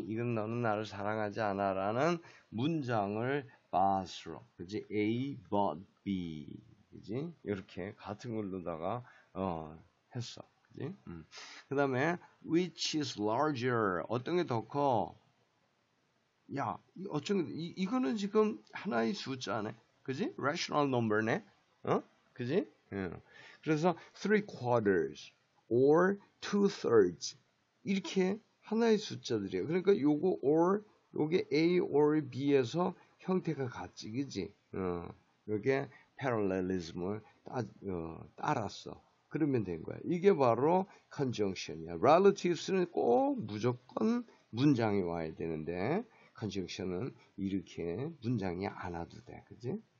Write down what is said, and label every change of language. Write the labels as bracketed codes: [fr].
[ko] 이건 너는 나를 사랑하지 않아라는 문장을 but로, 그지? A but B. 그지? 이렇게 같은 걸로다가 했어. 그지? 그 다음에 [en] which is larger? [ko] 어떤 게 더 커? 야, 이거는 지금 하나의 숫자네. 그지? rational number네. 그지? 그래서 [en] three quarters or two thirds [ko] 이렇게 하나의 숫자들이에요. 그러니까 요거 or 요게 A or B에서 형태가 같지. 그지? 요게 parallelism을 따랐어. 그러면 된 거야. 이게 바로 conjunction이야. Relatives는 꼭 무조건 문장이 와야 되는데 conjunction은 이렇게 문장이 안 와도 돼. 그지?